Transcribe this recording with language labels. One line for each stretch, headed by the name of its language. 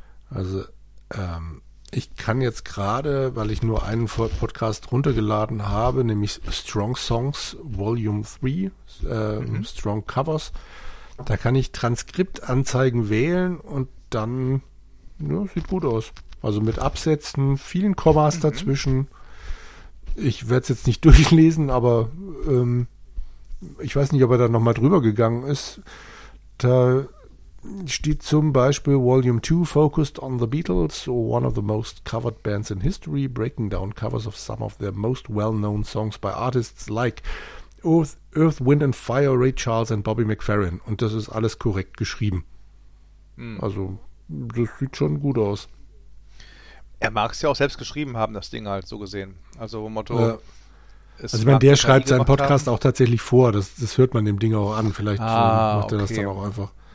German: Also ich kann jetzt gerade, weil ich nur einen Podcast runtergeladen habe, nämlich Strong Songs Volume 3, Strong Covers, da kann ich Transkriptanzeigen wählen und dann, ja, sieht gut aus. Also mit Absätzen, vielen Kommas dazwischen. Ich werde es jetzt nicht durchlesen, aber ich weiß nicht, ob er da nochmal drüber gegangen ist. Da steht zum Beispiel
English: Volume 2 focused on the Beatles, one of the most covered bands in history, breaking down covers of some of their most well-known songs by artists like Earth, Wind and Fire, Ray Charles and Bobby McFerrin.
German: Und das ist alles korrekt geschrieben. Also das sieht schon gut aus. Er mag es ja auch selbst geschrieben haben, das Ding halt so gesehen. Also Motto. Ja. Also wenn der schreibt seinen Podcast haben, auch tatsächlich vor, das hört man dem Ding auch an. Vielleicht macht er das dann auch einfach.